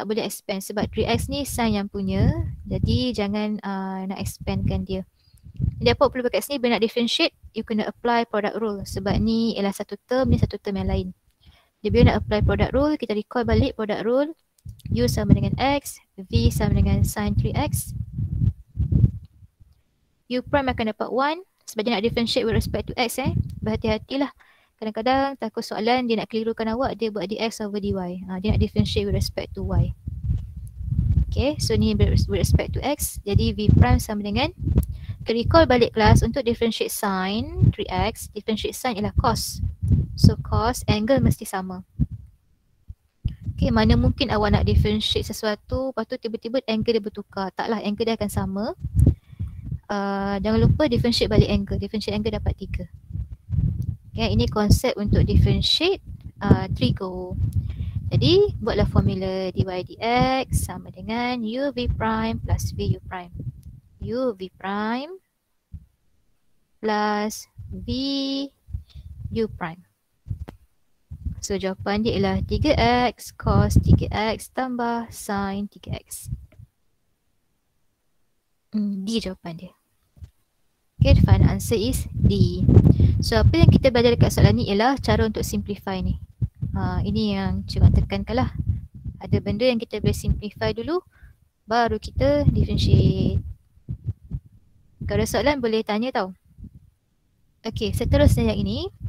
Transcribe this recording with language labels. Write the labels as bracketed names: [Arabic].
[Malay] Tak boleh expand sebab 3x ni sin yang punya. Jadi jangan nak expandkan dia. Jadi apa perlu dekat sini, bila nak differentiate you kena apply product rule. Sebab ni ialah satu term, ni satu term yang lain. Jadi bila nak apply product rule, kita recall balik product rule. U sama dengan x, v sama dengan sin 3x. U prime akan dapat 1. Sebab dia nak [English] differentiate with respect to x [Malay] eh. Berhati-hatilah. Kadang-kadang takut soalan dia nak kelirukan awak, dia buat dx over dy. Dia nak [English] differentiate with respect to y. Okay, so [Malay] ni [English] with respect to x. [Malay] Jadi v prime sama dengan, okay, recall balik kelas, untuk differentiate sin 3x, differentiate sin ialah cos. So cos angle mesti sama. Okay, mana mungkin awak nak differentiate sesuatu lepas tu tiba-tiba angle dia bertukar. Taklah, angle dia akan sama. Jangan lupa differentiate balik angle. Differentiate angle dapat 3. Okay, ini konsep untuk differentiate trigo. Jadi buatlah formula dy dx sama dengan u v prime plus v u prime. U v prime plus v u prime. So jawapan dia ialah 3x cos 3x tambah sin 3x. D jawapan dia. [English] Okay, the final answer is D. [Malay] So apa yang kita belajar dekat soalan ni ialah cara untuk simplify ni. Ini yang cuba tekankan lah. Ada benda yang kita boleh simplify dulu, baru kita differentiate. Kalau ada soalan boleh tanya tau. Okay, seterusnya yang ini.